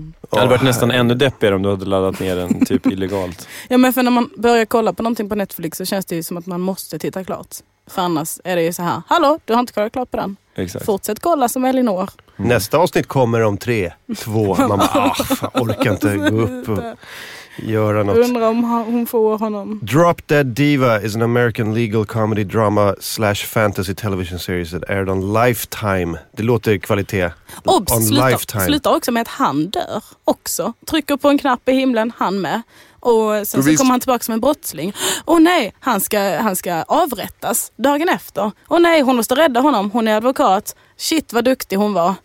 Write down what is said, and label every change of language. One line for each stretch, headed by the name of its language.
Swedish: Det hade varit nästan ännu deppigare om du hade laddat ner den typ illegalt. Ja, men för när man börjar kolla på någonting på Netflix så känns det ju som att man måste titta klart. För annars är det ju så här, hallå, du har inte kollat klart på den. Exakt. Fortsätt kolla som Elinor. Nästa avsnitt kommer om 3, 2. Man bara, orkar inte gå upp och... göra något. Undrar om hon får honom.
English: Drop Dead Diva is an American legal comedy drama / fantasy television series that aired on Lifetime.
Swedish: Det låter kvalitet. Obs, on sluta också med att han dör också. Trycker på en knapp i himlen, han med. Och sen så kommer han tillbaka som en brottsling. Och nej, han ska avrättas dagen efter. Och nej, hon måste rädda honom. Hon är advokat. Shit, vad duktig hon var.